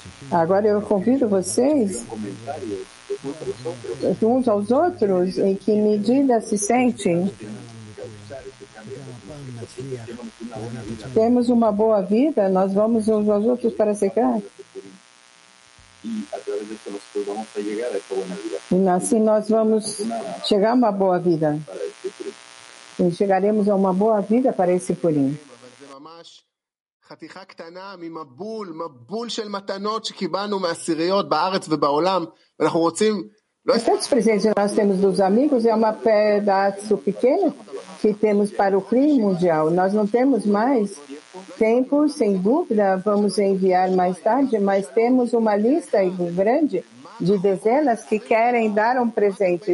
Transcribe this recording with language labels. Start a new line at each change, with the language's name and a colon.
Portuguese: Agora eu convido vocês uns aos outros, em que medida se sentem, temos uma boa vida, nós vamos uns aos outros para secar. E assim nós vamos chegar a uma boa vida. E chegaremos a uma boa vida para esse Purim.
Hebrew: חתיכה קטנה ממבול, מבול של מתנות שקיבלנו מהסיריות בארץ ובעולם, ואנחנו רוצים...
Portuguese: Estes presentes que nós temos dos amigos é uma pedaço pequeno que temos para o clima mundial. Nós não temos mais tempo, sem dúvida, vamos enviar mais tarde, mas temos uma lista grande de dezenas que querem dar um presente.